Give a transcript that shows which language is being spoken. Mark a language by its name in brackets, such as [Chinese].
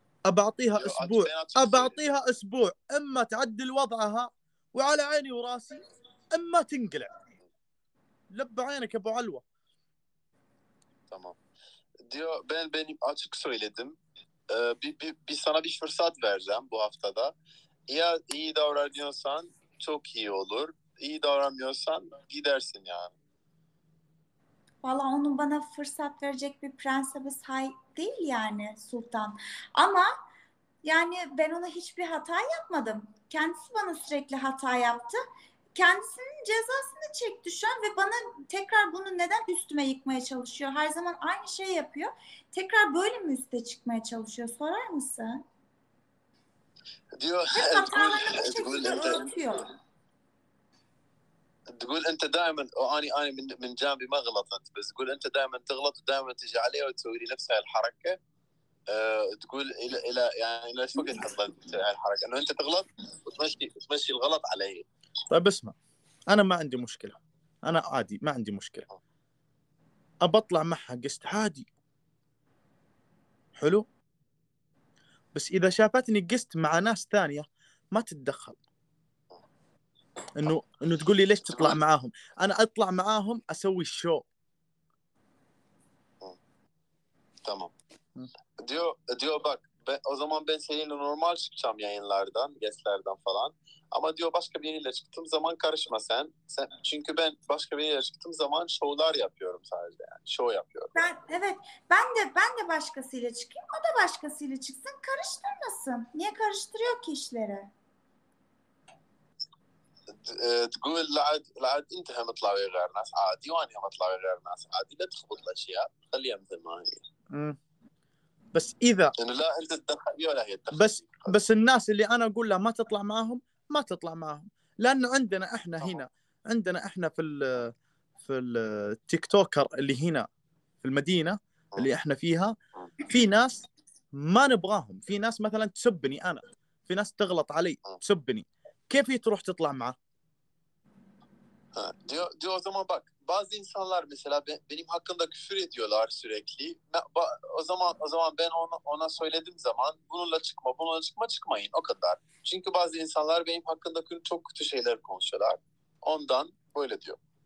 [Arabic] أبعطيها أسبوع، أبعطيها أسبوع، إما تعدل وضعها وعلى عيني وراسي، إما تنقلع. لب عينك أبو علوة. تمام. [Turkish] ديو بين بيني açık söyledim. Bir sana bir fırsat vereceğim bu haftada. Ya iyi davranıyorsan çok iyi olur. İyi davranmıyorsan gidersin yani. Valla onun bana fırsat verecek bir prensibi sahip değil yani Sultan. Ama yani ben ona hiçbir hata yapmadım. Kendisi bana sürekli hata yaptı. Kendisinin cezasını çekti şu an ve bana tekrar bunu neden üstüme yıkmaya çalışıyor? Her zaman aynı şeyi yapıyor. Tekrar böyle mi üste çıkmaya çalışıyor? Sorar mısın? ديو Ve hatalarını بو شكل örtüyor. [Arabic] تقول انت دائما، واني من جانبي ما غلطت، بس تقول انت دائما تغلط ودائما تجي عليه وتسوي لي نفس هاي الحركه. تقول الى يعني الى ايش وقت حصلت هاي الحركه؟ انه انت تغلط وتمشي الغلط علي. طيب اسمع، انا ما عندي مشكله، انا عادي ما عندي مشكله، ابى اطلع معها قست عادي حلو، بس اذا شافتني قست مع ناس ثانيه ما تتدخل. انه تقول لي ليش تطلع معاهم؟ انا اطلع معاهم اسوي الشو. [Turkish] Tamam. Diyor bak ben, o zaman ben seninle normal çıkacağım yayınlardan, guestlerden falan. Ama diyor başka biriyle çıktığım zaman karışma sen. Sen çünkü ben başka biriyle çıktığım zaman şovlar yapıyorum sadece yani. Şov yapıyorum. Ben evet ben de başkasıyla çıkayım, o da başkasıyla çıksın, karıştırmasın. Niye karıştırıyor ki işleri? [Arabic] تقول لعد انت هم طلعوا غير ناس عادي وانا هم طلعوا غير ناس عادي، لا تخبط الاشياء خليها مثل ما هي. بس اذا يعني لا انت تدخل ولا هي تدخل، بس الناس اللي انا اقول لها ما تطلع معهم ما تطلع معهم، لانه عندنا احنا هنا، عندنا احنا في التيك توكر اللي هنا في المدينه اللي احنا فيها، في ناس ما نبغاهم، في ناس مثلا تسبني انا، في ناس تغلط علي تسبني، كيف هي تروح تطلع معه؟ [Turkish] Diyor o zaman bak, bazı insanlar mesela benim hakkında küfür ediyorlar sürekli. O zaman ben ona söyledim zaman bununla çıkma, bununla çıkma, çıkmayın o kadar. Çünkü bazı insanlar benim hakkında çok kötü şeyler konuşuyorlar. Ondan böyle diyor.